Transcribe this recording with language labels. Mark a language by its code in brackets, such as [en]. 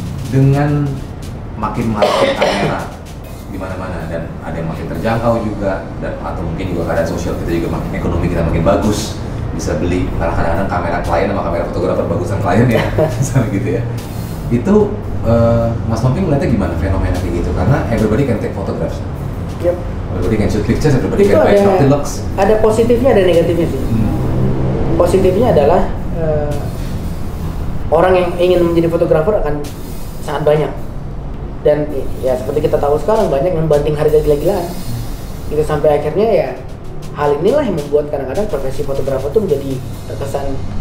[id] Dengan makin marketnya kamera di mana-mana dan ada yang makin terjangkau juga dan atau mungkin juga keadaan sosial kita juga makin ekonomi kita makin bagus bisa beli karena kadang-kadang kamera klien sama kamera fotografer bagusan klien ya misalnya gitu ya itu Mas Tommy melihatnya gimana fenomena kayak gitu karena [en] everybody can take photographs. Yep. Everybody can shoot pictures, everybody can buy shot looks. [id] Ada positifnya ada negatifnya sih. Positifnya adalah orang yang ingin menjadi fotografer akan sangat banyak dan ya seperti kita tahu sekarang banyak membanting harga gila-gilaan itu sampai akhirnya ya hal inilah yang membuat kadang-kadang profesi fotografer itu menjadi terkesan